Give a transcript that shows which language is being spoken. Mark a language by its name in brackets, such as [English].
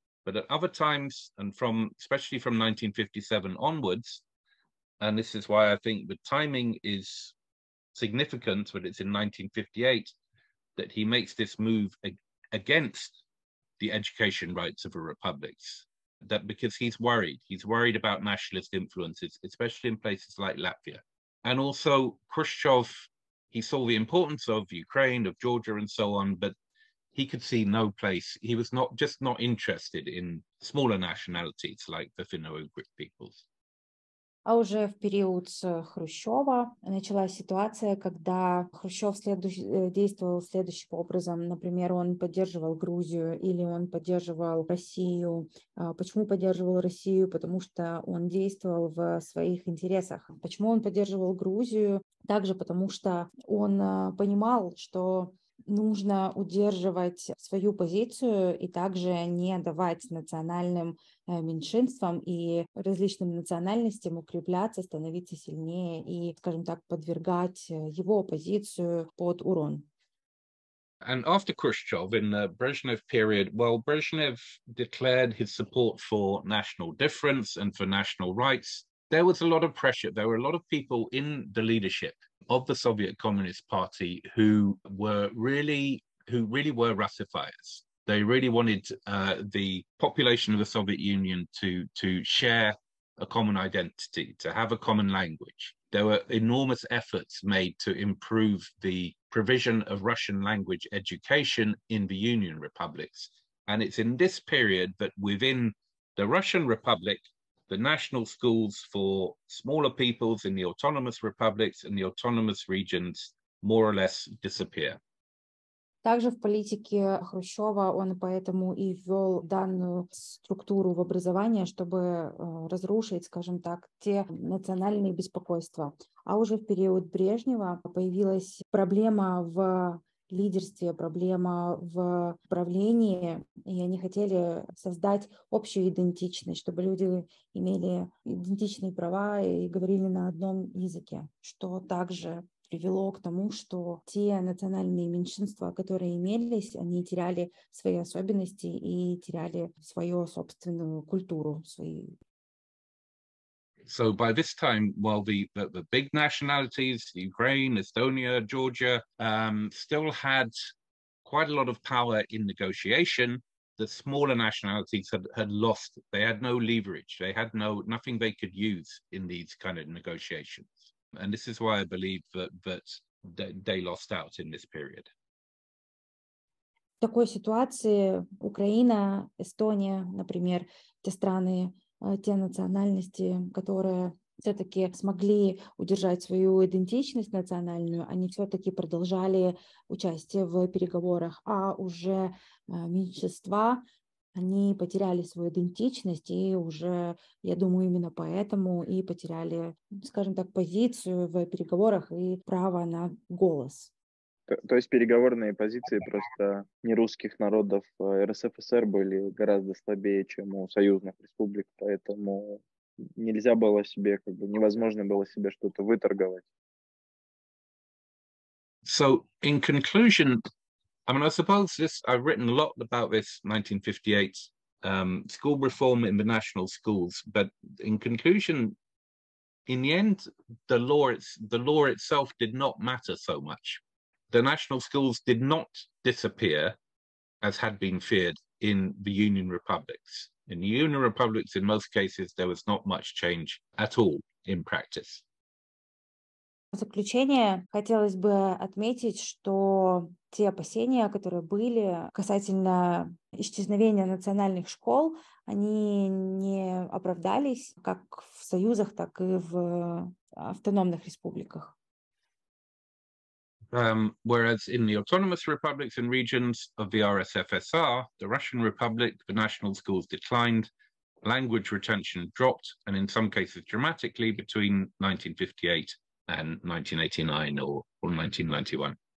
[English] But at other times, and from especially from 1957 onwards, and this is why I think the timing is significant, but it's in 1958 that he makes this move against the education rights of the republics, that because he's worried about nationalist influences, especially in places like Latvia. And also Khrushchev, he saw the importance of Ukraine, of Georgia and so on, but he could see no place. He was not interested in smaller nationalities like the Finno-Ugric peoples. [Russian] А уже в период с Хрущева началась ситуация, когда Хрущев действовал следующим образом. Например, он поддерживал Грузию или он поддерживал Россию. Почему поддерживал Россию? Потому что он действовал в своих интересах. Почему он поддерживал Грузию? Также потому что он понимал, что нужно удерживать свою позицию и также не давать национальным меньшинствам и различным национальностям укрепляться, становиться сильнее и, скажем так, подвергать его позицию под урон. [English] And after Khrushchev, in the Brezhnev period, well, Brezhnev declared his support for national difference and for national rights. There was a lot of pressure. There were a lot of people in the leadership of the Soviet Communist Party who really were Russifiers. They really wanted the population of the Soviet Union to share a common identity, to have a common language. There were enormous efforts made to improve the provision of Russian language education in the Union republics. And it's in this period that within the Russian Republic, the national schools for smaller peoples in the autonomous republics and the autonomous regions more or less disappear. [Russian] Также в политике Хрущева он поэтому и ввел данную структуру в образование, чтобы разрушить, скажем так, те национальные беспокойства. А уже в период Брежнева появилась проблема в лидерстве, проблема в правлении, и они хотели создать общую идентичность, чтобы люди имели идентичные права и говорили на одном языке, что также привело к тому, что те национальные меньшинства, которые имелись, они теряли свои особенности и теряли свою собственную культуру, свои. [English] So by this time, while the big nationalities, Ukraine, Estonia, Georgia, still had quite a lot of power in negotiation, the smaller nationalities had lost. They had no leverage. They had nothing they could use in these kind of negotiations. And this is why I believe that they lost out in this period. [Russian] В такой ситуации Украина, Эстония, например, те страны, те национальности, которые все-таки смогли удержать свою идентичность национальную, они все-таки продолжали участие в переговорах, а уже меньшинства, они потеряли свою идентичность и уже, я думаю, именно поэтому и потеряли, скажем так, позицию в переговорах и право на голос. То есть переговорные позиции просто нерусских народов РСФСР были гораздо слабее, чем у союзных республик, поэтому нельзя было себе, как бы невозможно было себе что-то выторговать. [English] So, in conclusion, I mean, I suppose this, I've written a lot about this 1958 school reform in the national schools, but in conclusion, in the end, the law itself did not matter so much. The national schools did not disappear, as had been feared, in the Union republics. In the Union republics, in most cases, there was not much change at all in practice. [Russian] В заключение хотелось бы отметить, что те опасения, которые были касательно исчезновения национальных школ, они не оправдались как в союзах, так и в автономных республиках. [English] Whereas in the autonomous republics and regions of the RSFSR, the Russian Republic, the national schools declined, language retention dropped, and in some cases dramatically between 1958 and 1989 or 1991.